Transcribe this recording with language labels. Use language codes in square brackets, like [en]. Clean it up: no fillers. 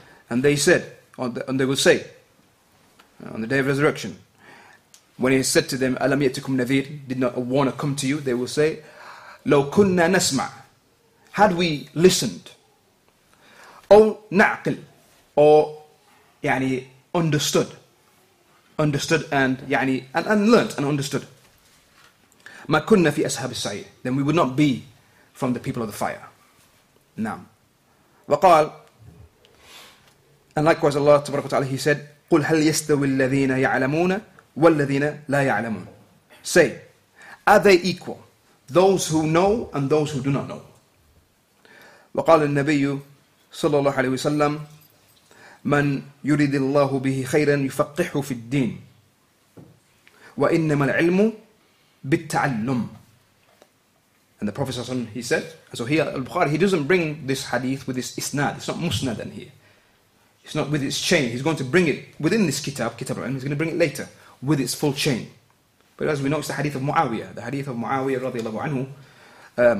[en] And they said, and they will say, on the day of resurrection, when he said to them, [ar] أَلَمْ يَتِكُمْ نَذِيرٍ, [en] did not a warner come to you, they will say, [ar] لَوْ كُنَّا نَسْمَعْ, [en] had we listened, [ar] أَوْ نَعْقِلْ, [en] or, يعني, understood, understood and يعني and learnt and understood. [ar] ما كنا في أصحاب السعير. [en] Then we would not be from the people of the fire. [ar] نعم. وقال [en] and likewise Allah [ar] تبارك وتعالى [en] He said [ar] قل هل يستوي الذين يعلمون والذين لا يعلمون. [en] Say, are they equal? Those who know and those who do not know. [ar] وقال النبي صلى الله عليه وسلم من يريد الله به خيرا يفقهه في الدين وإنما العلم بالتعلم. [en] And the Prophet صلى الله عليه وسلم he said, so here al-Bukhari he doesn't bring this hadith with this isnad, it's not musnad in here, it's not with its chain, he's going to bring it within this kitab, kitab al-ilm, he's going to bring it later with its full chain. But as we know, it's the hadith of Muawiyah, the hadith of Muawiyah radiallahu anhu.